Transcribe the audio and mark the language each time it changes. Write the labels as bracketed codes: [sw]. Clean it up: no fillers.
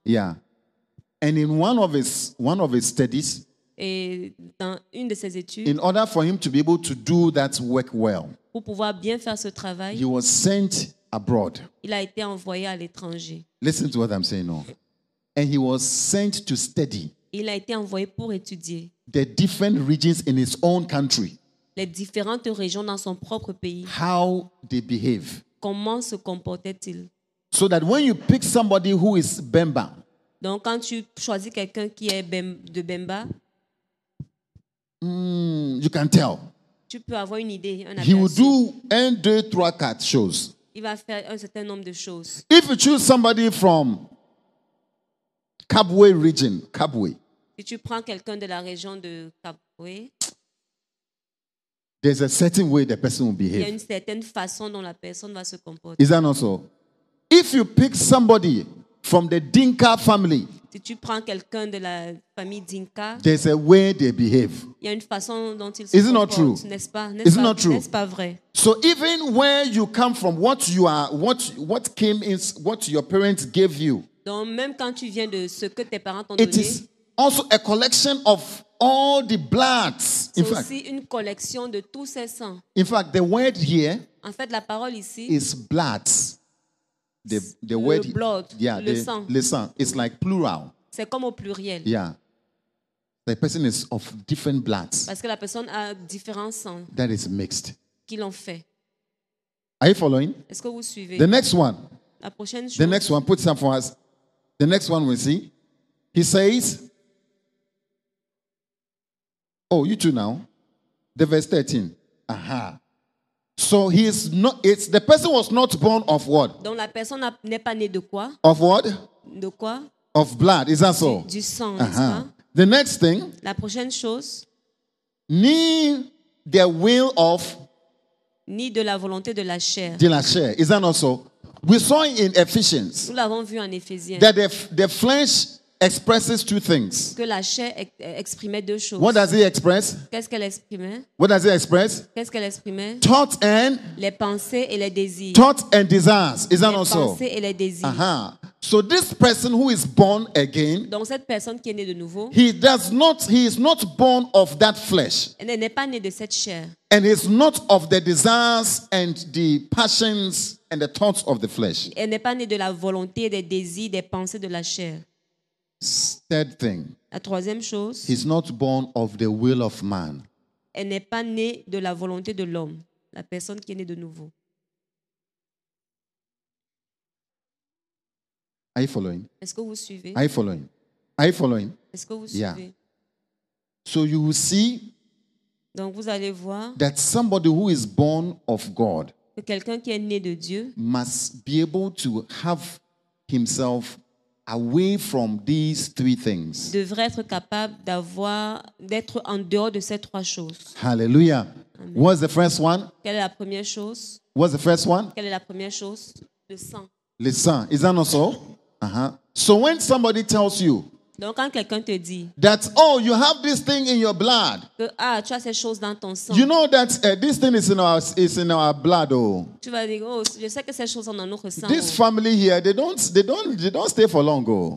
[en] Yeah, and in one of his studies. [fr] Et dans une de ses études, [en] in order for him to be able to do that work well, [fr] pour pouvoir bien faire ce travail, [en] he was sent abroad. [fr] Il a été envoyé à l'étranger. [en] Listen to what I'm saying now. And he was sent to study. [fr] Il a été envoyé pour étudier [en] the different regions in his own country. [fr] Les différentes régions dans son propre pays. [en] How they behave. [fr] Comment se comportaient-ils? [en] So that when you pick somebody who is Bemba. [fr] Donc quand tu choisis quelqu'un qui est de Bemba. [en] You can tell. [fr] Tu peux avoir une idée, un [en] he will do 1, 2, 3, 4 shows. [fr] Il va faire un certain nombre de choses. [en] If you choose somebody from Kabwe region, Kabwe. [fr] Si tu prends quelqu'un de la région de Kabwe, [en] there's a certain way the person will behave. [fr] Il y a une certaine façon dont la personne va se comporter. [en] Is that not so? If you pick somebody from the Dinka family. [fr] Si tu prends quelqu'un de la famille d'Inca, [en] there's a way they behave. [fr] Il y a une façon dont ils se comportent. [en] Isn't it true? [fr] N'est-ce pas? N'est-ce pas vrai? [en] So even where you come from, what you are, what came in, what your parents gave you. [fr] Donc même quand tu viens de ce que tes parents t'ont donné. [en] It is also a collection of all the bloods. [fr] C'est aussi une collection de tous ces sangs. [en] In fact, the word here. [fr] En fait, la parole ici. [en] Is bloods. The [fr] le [en] word, blood, yeah, [fr] le sang. [en] It's like plural. [fr] C'est comme au pluriel. [en] Yeah. The person is of different bloods. [fr] Parce que la personne a différents sangs. [en] That is mixed. [fr] Qu'ils l'ont fait. [en] Are you following? [fr] Est-ce que vous suivez? [en] The next one. [fr] La prochaine chose. [en] The next one, put some for us. The next one we see. He says, oh, you two now. The verse 13. Aha. So he is not. It's the person was not born of what? [fr] Donc la personne n'est pas née de quoi? [en] Of what? [fr] De quoi? [en] Of blood. Is that so? [fr] Du sang. [en] Uh-huh. The next thing. [fr] La prochaine chose. [en] Ni the will of. [fr] Ni de la volonté de la chair. De la chair. [en] Is that not so? We saw in Ephesians. [fr] Nous l'avons vu en Éphésiens. [en] That the flesh expresses two things. [fr] Que la chair exprimait deux choses. [en] What does it express? [fr] Qu'est-ce qu'elle exprimait? [en] What does it express? [fr] Qu'est-ce qu'elle exprimait? [en] Thoughts and [fr] les pensées et les désirs. [en] Thoughts and desires. Is that also? [fr] Les pensées et les désirs. Uh-huh. [en] So this person who is born again. [fr] Donc cette personne qui est née de nouveau. [en] He is not born of that flesh. [fr] Elle n'est pas née de cette chair. [en] And is not of the desires and the passions and the thoughts of the flesh. [fr] Elle n'est pas née de la volonté, des désirs, des pensées de la chair. [en] Third thing. [fr] La troisième chose. [en] He's not born of the will of man. [fr] Elle n'est pas née de la volonté de l'homme, la personne qui est née de nouveau. [en] Are you following? [fr] Est-ce que vous suivez? [en] Are you following? Are you following? [fr] Est-ce que vous suivez? [en] Yeah. So you will see. [fr] Donc vous allez voir. [en] That somebody who is born of God. [fr] Que quelqu'un qui est né de Dieu. [en] Must be able to have himself. Away from these three things. [fr] Devrait être capable d'être en dehors de ces trois choses. [en] Hallelujah. Amen. What's the first one? [fr] Quelle est la première chose? [en] What's the first one? [fr] Quelle est la première chose? Le sang. Le sang. [en] Is that not so? Uh-huh. So when somebody tells you. [fr] Donc quand quelqu'un te dit. [en] That, oh, you have this thing in your blood. [fr] Que, tu as ces choses dans ton sang. [en] You know that this thing is in our blood, oh. [fr] Tu vas dire, oh, je sais que ces choses sont dans notre sang. [en] This family here, they don't stay for long, oh.